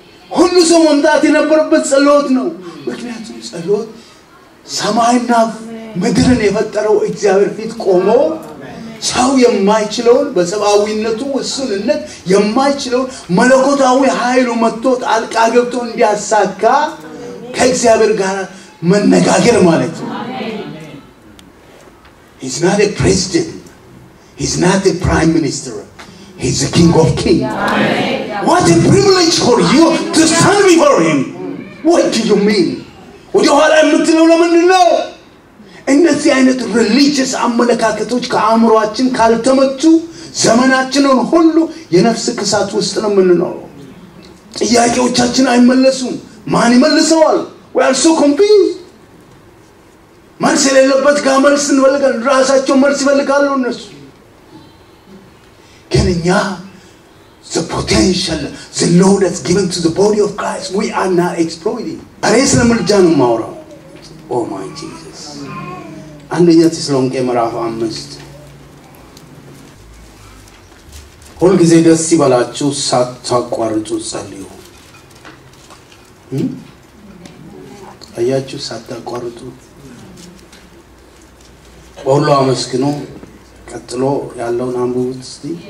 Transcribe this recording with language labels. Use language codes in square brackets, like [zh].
[am] ሁሉ ሰው መምጣት የነበረበት ጸሎት ነው። ምክንያቱም ጸሎት ሰማይና ምድርን የፈጠረው እግዚአብሔር ፊት ቆሞ ሰው የማይችለው በሰባዊነቱ ወስነነት የማይችለው መለኮታዊ ኃይሉ መጥቶት አልቃ ገብቶ እንዲያሳካ ከእግዚአብሔር ጋር መነጋገር ማለት ነው። አሜን። [en] He's not a president. He's not a prime minister. He's the king of kings. [am] አሜን። [en] What a privilege for you to stand before him. What do you mean? [am] ወዲያውላ የምትለው ለምንድን ነው? እነዚህ አይነት religious አመለካከቶች ከአእምሯችን ካልተመቱ ዘመናችንን ሁሉ የነፍስ ክሳት ውስጥ ነው የምንኖረው። ጥያቄዎቻችን አይመለሱም። ማን ይመልሰዋል? [en] We are so confused. [am] መልስ የሌለበት ጋር መልስ እንፈልጋለን። ራሳቸው መልስ ይፈልጋሉ እነሱ። ግን እኛ [en] the potential, the load that's given to the body of Christ, we are not exploiting. [am] በሬስ ለምልጃ ነው ማውራው። [en] Oh my Jesus. [am] አንደኛ ተሰሎንቄ ምዕራፍ 5 ሁሉ ጊዜ ደስ ይበላችሁ፣ ሳታቋርጡ ጸልዩ። አያችሁ፣ ሳታቋርጡ ወሎ አመስግኖ ቀጥሎ ያለውን አንብቡት እስቲ።